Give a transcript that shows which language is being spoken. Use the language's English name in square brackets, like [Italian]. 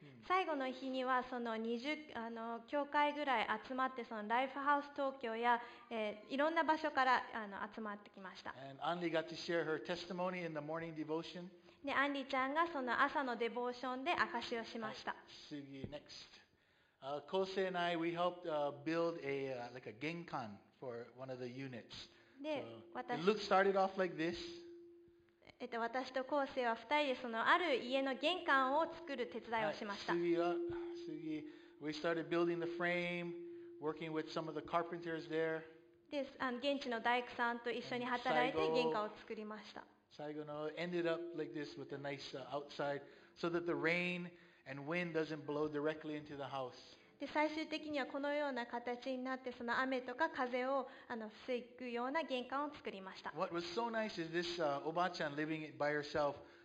[Japanese] 最後の日にはその20教会ぐらい集まって、そのライフハウス東京や、いろんな場所から集まってきました。 [English] アンリー got to share her testimony in the morning devotion. [Japanese] で、アンリーちゃんがその朝のデボーションで証しをしました。次、 [English] next. Kosei and I, we helped build a like a genkan for one of the units. [Japanese] で、 [English] It looked started off like this. [Japanese] 私と昴生は2人でそのある家の玄関を作る手伝いをしました。次、 [English] we started building the frame, working with some of the carpenters there. [Japanese] で、現地の大工さんと一緒に働いて玄関を作りました。最後の [English] ended up like this with a nice outside, so that the rain and wind doesn't blow directly into the house. [Japanese] で、最終的にはこのような形になって、その雨とか風を防ぐような玄関を作りました。 [English] What was so nice is this おばあちゃん living by herself.